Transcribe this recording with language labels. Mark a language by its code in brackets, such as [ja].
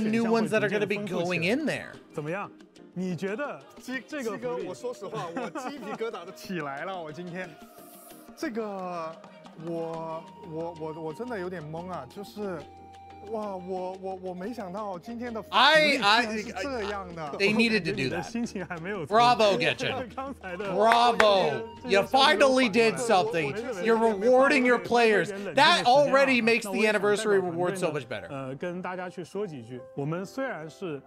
[en] new ones that are going to be going in there? [zh] 怎么样?你觉得 这个福利, 我说实话, 我鸡皮疙瘩都起来了, 我今天, 这个, 我真的有点懵啊, 就是, 哇, 我没想到今天的福利是这样的。 [en] They needed to do that. Bravo, Getchen. Bravo. You finally did something. You're rewarding your players. That already makes the anniversary reward so much better. [zh] 跟大家去说几句, 我们虽然是,